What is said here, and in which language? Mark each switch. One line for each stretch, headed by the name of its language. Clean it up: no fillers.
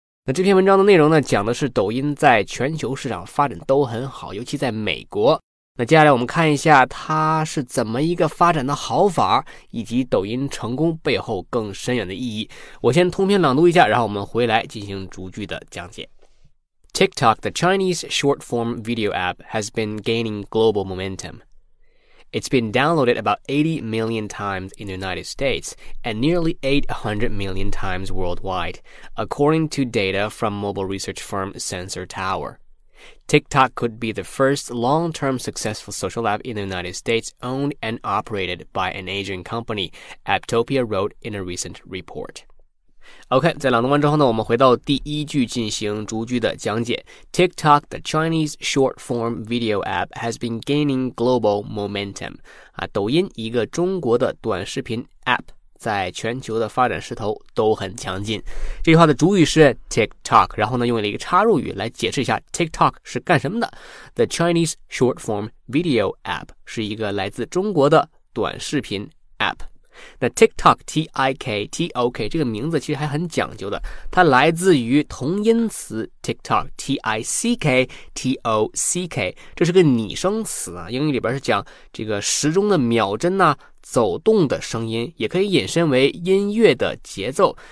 Chinese: 那这篇文章的内容呢，讲的是抖音在全球市场发展都很好，尤其在美国。那接下来我们看一下它是怎么一个发展的好法，以及抖音成功背后更深远的意义。我先通篇朗读一下，然后我们回来进行逐句的讲解。
English: TikTok, the Chinese short-form video app, has been gaining global momentum. It's been downloaded about 80 million times in the United States and nearly 800 million times worldwide, according to data from mobile research firm Sensor Tower. TikTok could be the first long-term successful social app in the United States owned and operated by an Asian company, Aptopia wrote in a recent report.
Chinese: OK, 在朗读完之后呢，我们回到第一句进行逐句的讲解。
English: TikTok, the Chinese short-form video app, has been gaining global momentum.
Chinese: 啊，抖音一个中国的短视频 app, 在全球的发展势头都很强劲。这句话的主语是 TikTok, 然后呢用了一个插入语来解释一下 TikTok 是干什么的。
English: The Chinese short-form video app
Chinese: 是一个来自中国的短视频 app。那 TikTok, T-I-K-T-O-K 这个名字其实还很讲究的，它来自于同音词 TikTok, T-I-C-K-T-O-C-K, 这是个拟声词啊，英语里边是讲这个时钟的秒针啊，走动的声音，也可以引申为音乐的节奏。